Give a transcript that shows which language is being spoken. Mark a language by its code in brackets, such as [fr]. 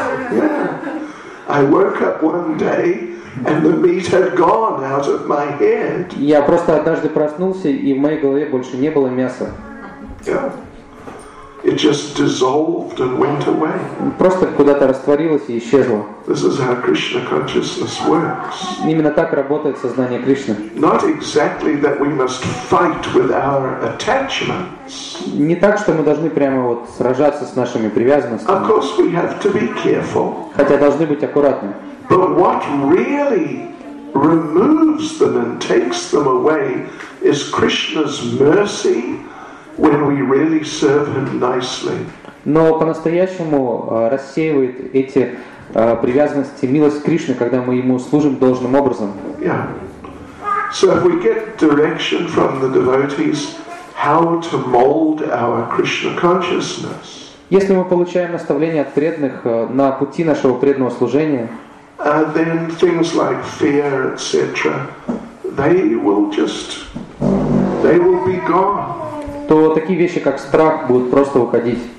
[en] Yeah. I woke up one day and the meat had gone out of my head. [ru] Я просто однажды проснулся, и в моей голове больше не было мяса. [en] Yeah. It just dissolved and went away. [ru] Просто куда-то растворилось и исчезло. [en] This is how Krishna consciousness works. [ru] Именно так работает сознание Кришны. [en] Not exactly that we must fight with our attachments. [ru] Не так, что мы должны прямо вот сражаться с нашими привязанностями. [en] Of course we have to be careful. [ru] Хотя должны быть аккуратны. [en] But what really removes them and takes them away is Krishna's mercy. When we really serve him nicely. [ru] Но по-настоящему рассеивает эти привязанности милость Кришны, когда мы ему служим должным образом. [en] Yeah. So if we get direction from the devotees how to mold our Krishna consciousness. [ru] Если мы получаем наставление от преданных на пути нашего преданного служения, [en] then things like fear, etc., they will be gone. [ru] То такие вещи, как страх, будут просто уходить.